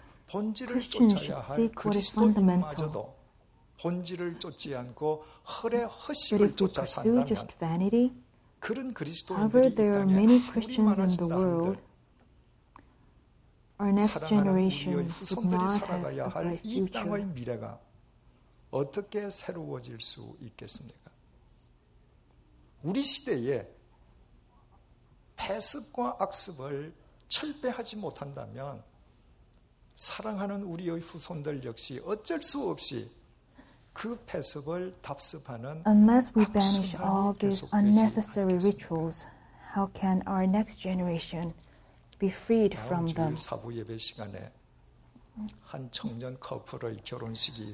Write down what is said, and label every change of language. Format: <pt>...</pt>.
<en>Christians should seek what is fundamental. But if they pursue just vanity, however, there are many Christians in the world, our next generation would not have a bright future.</en> <ko>이 미래가 어떻게 새로워질 수 있겠습니까? 우리 시대에 패습과 악습을 철폐하지 못한다면 사랑하는 우리의 후손들 역시 어쩔 수 없이 그 패습을 답습하는</ko> <en>Unless we banish all these unnecessary rituals, how can our next generation be freed from them?</en> <ko>다음 주 사부 예배 시간에 한 청년 커플의 결혼식이 있어요.</ko>